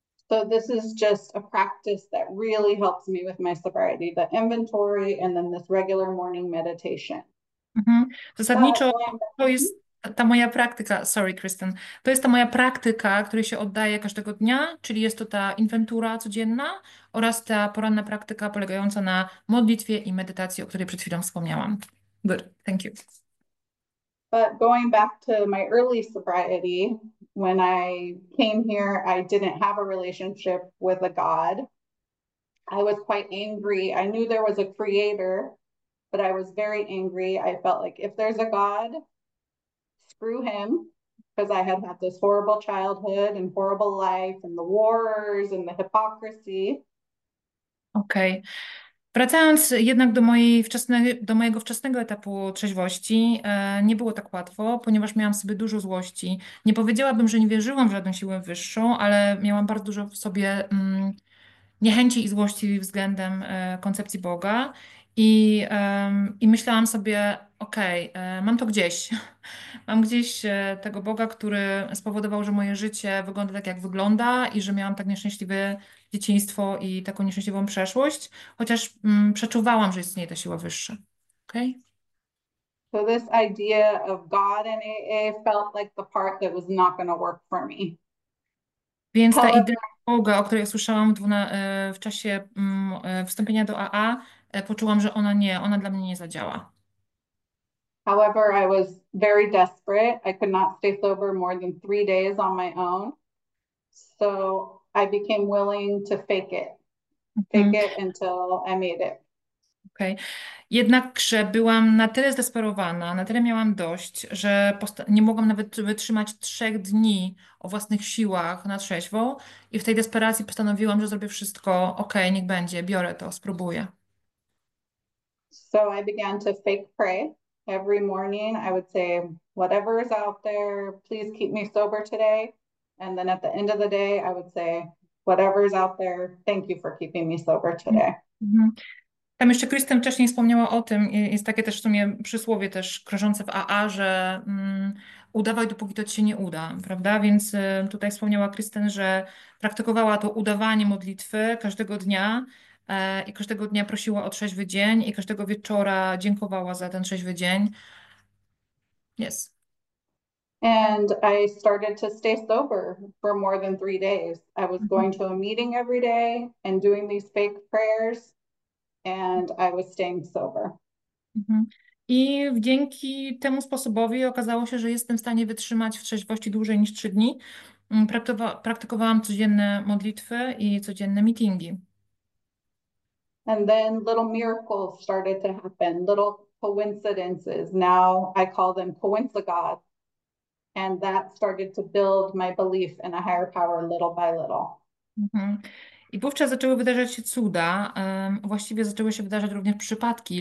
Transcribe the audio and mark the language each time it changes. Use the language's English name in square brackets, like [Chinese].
[English] So this is just a practice that really helps me with my sobriety, the inventory, and then this regular morning meditation. [Polish] Zasadniczo to jest ta moja praktyka, sorry Kristen, to jest ta moja praktyka, której się oddaję każdego dnia, czyli jest to ta inwentura codzienna oraz ta poranna praktyka polegająca na modlitwie i medytacji, o której przed chwilą wspomniałam. [English] Good, thank you. But going back to my early sobriety, when I came here, I didn't have a relationship with a God. I was quite angry. I knew there was a creator, but I was very angry. I felt like if there's a God, screw him, because I had had this horrible childhood and horrible life and the wars and the hypocrisy. Okej. Okay. [Polish] Wracając jednak do mojego wczesnego etapu trzeźwości, nie było tak łatwo, ponieważ miałam sobie dużo złości. Nie powiedziałabym, że nie wierzyłam w żadną siłę wyższą, ale miałam bardzo dużo w sobie niechęci i złości względem koncepcji Boga. I myślałam sobie, okej, okay, mam to gdzieś. Mam gdzieś tego Boga, który spowodował, że moje życie wygląda tak, jak wygląda, i że miałam tak nieszczęśliwe dzieciństwo i taką nieszczęśliwą przeszłość, chociaż przeczuwałam, że istnieje ta siła wyższa. Okej? [English] So this idea of God and AA felt like the part that was not going to work for me. [Polish] Więc ta [English] However, [Polish] idea Boga, o której słyszałam w czasie wstąpienia do AA, poczułam, że ona dla mnie nie zadziała. [English] I was very desperate. I could not stay sober more than 3 days on my own. So I became willing to fake it until I made it. Okay. [Polish] Jednakże byłam na tyle zdesperowana, na tyle miałam dość, że nie mogłam nawet wytrzymać 3 dni o własnych siłach na trzeźwo, i w tej desperacji postanowiłam, że zrobię wszystko. Okej, okay, niech będzie, biorę to, spróbuję. [English] So I began to fake pray every morning. I would say, whatever is out there, please keep me sober today. And then at the end of the day, I would say, whatever is out there, thank you for keeping me sober today. [Polish] Tam jeszcze Kristen wcześniej wspomniała o tym, jest takie też w sumie przysłowie też krążące w AA, że udawaj, dopóki to ci się nie uda, prawda? Więc tutaj wspomniała Kristen, że praktykowała to udawanie modlitwy każdego dnia i każdego dnia prosiła o trzeźwy dzień i każdego wieczora dziękowała za ten trzeźwy dzień. [English] Yes. And I started to stay sober for more than 3 days. I was going to a meeting every day and doing these fake prayers, and I was staying sober. [Polish] I dzięki temu sposobowi okazało się, że jestem w stanie wytrzymać w trzeźwości dłużej niż 3 dni. Praktykowałam codzienne modlitwy i codzienne meetingi. [English] And then little miracles started to happen, little coincidences. Now I call them coincigods. And that started to build my belief in a higher power little by little. [Polish] I wówczas zaczęły wydarzać się cuda, właściwie zaczęły się wydarzać również przypadki.